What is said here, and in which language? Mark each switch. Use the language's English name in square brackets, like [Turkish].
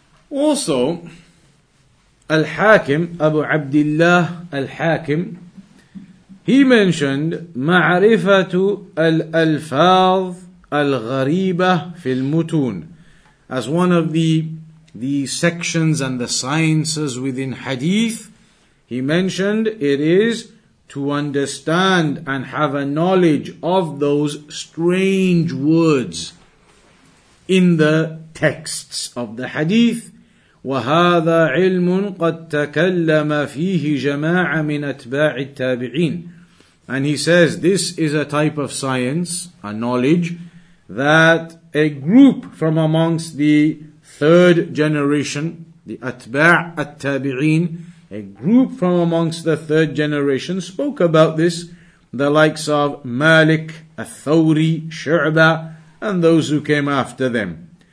[English] Also, Al-Hakim, Abu Abdullah Al-Hakim, he mentioned [Arabic] ma'rifatu al-alfaz al-ghariba fil mutun [English] as one of the sections and the sciences within hadith. He mentioned it is to understand and have a knowledge of those strange words in the texts of the hadith. [Arabic] وهذا علم قد تكلم فيه جماعة من أتباع التابعين. [English] And he says, this is a type of science, a knowledge, that a group from amongst the third generation, the أتباع التابعين, a group from amongst the third generation spoke about this, the likes of Malik, الثوري, شعبة, and those who came after them.